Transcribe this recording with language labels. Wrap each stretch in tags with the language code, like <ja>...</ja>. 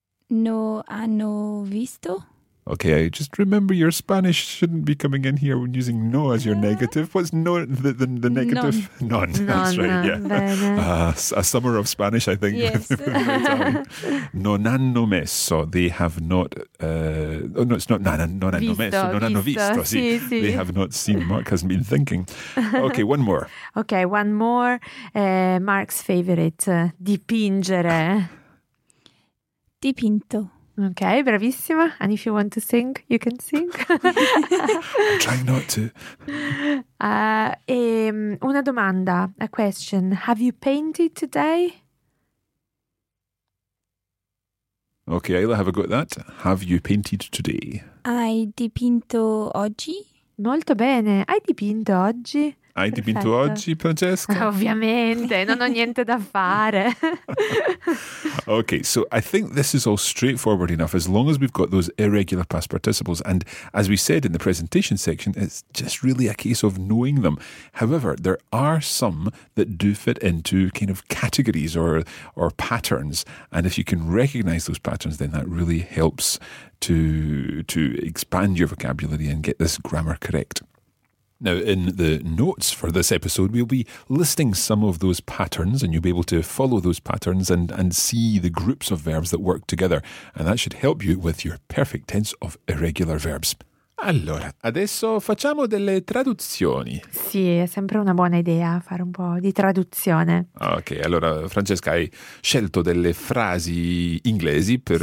<it>No hanno visto.</it> <en>Okay, just remember your Spanish shouldn't be coming in here when using no as your negative. What's no, the negative? None. None. That's right, yeah. A summer of Spanish, I think. Yes.</en> <it>Non hanno messo.</it> <en>They have not... oh, no, it's not</en> <it>non hanno messo. Non hanno visto. Sì, sì.</it> <en>They have not seen. Mark hasn't been thinking. Okay, one more. Okay, one more. Mark's favorite. Dipingere.</en> <it>Dipinto. Okay, bravissima.</it> <en>And if you want to sing, you can sing. Try not to.</en> <it>Una domanda,</it> <en>a question. Have you painted today? Okay, Ayla, have a go at that. Have you painted today?</en> <it>Hai dipinto oggi? Molto bene. Hai dipinto oggi? Hai dipinto Perfetto. Oggi, Francesca? Ovviamente, non ho niente da fare.</it> <en>Okay, so I think this is all straightforward enough as long as we've got those irregular past participles. And as we said in the presentation section, it's just really a case of knowing them. However, there are some that do fit into kind of categories or patterns. And if you can recognize those patterns, then that really helps to expand your vocabulary and get this grammar correct. Now, in the notes for this episode, we'll be listing some of those patterns and you'll be able to follow those patterns and see the groups of verbs that work together. And that should help you with your perfect tense of irregular verbs.</en> <it>Allora, adesso facciamo delle traduzioni. Sì, è sempre una buona idea fare un po' di traduzione. Ok, allora Francesca, hai scelto delle frasi inglesi per</it>